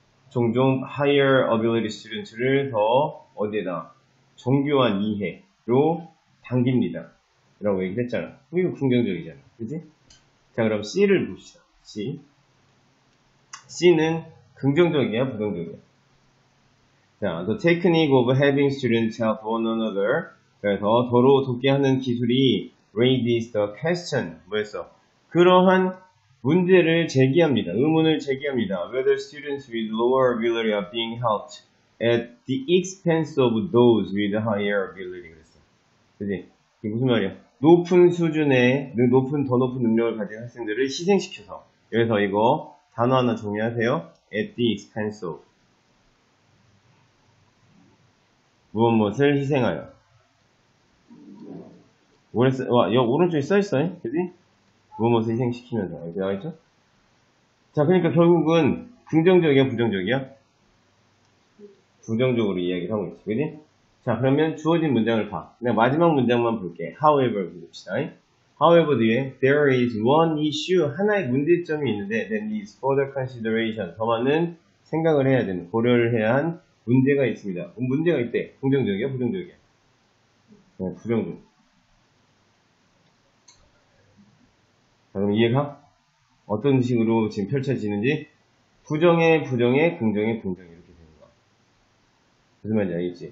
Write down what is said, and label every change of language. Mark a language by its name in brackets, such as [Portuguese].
[Korean] 종종 [English] higher ability students [Korean] 를 더 어디에다 정교한 이해로 당깁니다. 라고 얘기를 했잖아. 이거 긍정적이잖아. 그지? 자, 그럼 C를 봅시다. C. C는 긍정적이야, 부정적이야? [English] 자, the technique of having students help one another. [Korean] 그래서 도로 돕게 하는 기술이 [English] raises the question. [Korean] 뭐였어? 그러한 문제를 제기합니다. 의문을 제기합니다. [English] Whether students with lower ability are being helped at the expense of those with higher ability. [Korean] 그랬어. 그지? 이게 무슨 말이야? 높은 수준의, 높은, 더 높은 능력을 가진 학생들을 희생시켜서. 여기서 이거 단어 하나 정리하세요. [English] At the expense of. [Korean] 무엇, 무엇을 희생하여. 오래 써, 와, 여기 오른쪽에 써 있어, 그지? 무엇을 희생시키면서, 알겠죠? 자, 그러니까 결국은 긍정적이야, 부정적이야? 부정적으로 이야기를 하고 있지, 그지? 자, 그러면 주어진 문장을 봐. 내가 마지막 문장만 볼게. However, 봅시다. [English] However, [Korean] 뒤에 [English] there is one issue, [Korean] 하나의 문제점이 있는데, [English] that needs further consideration. [Korean] 더 많은 생각을 해야 되는, 고려를 해야 한 문제가 있습니다. 문제가 있대. 긍정적이야, 부정적이야? 네, 부정적. 자, 그럼 이해가? 어떤 식으로 지금 펼쳐지는지? 부정에 부정에 긍정에 긍정 이렇게 되는 거야. 무슨 말인지 알겠지?